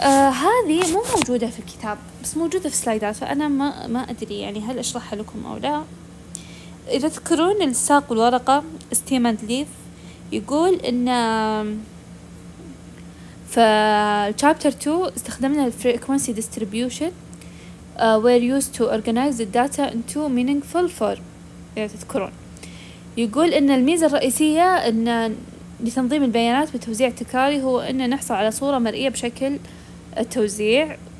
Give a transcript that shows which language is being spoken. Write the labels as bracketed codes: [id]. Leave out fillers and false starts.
[ar] هذه مو موجودة في الكتاب بس موجودة في سلايدات، فأنا ما أدري يعني هل أشرحها لكم أو لا. إذا تذكرون الساق والورقة ستيم أند ليف، يقول إن في الشابتر 2 استخدمنا الفريكونسي ديستريبيوشن [en] were used to organize the data into meaningful form. [ar] تذكرون يقول ان الميزة الرئيسية ان لتنظيم البيانات بتوزيع تكراري هو ان نحصل على صورة مرئية بشكل التوزيع.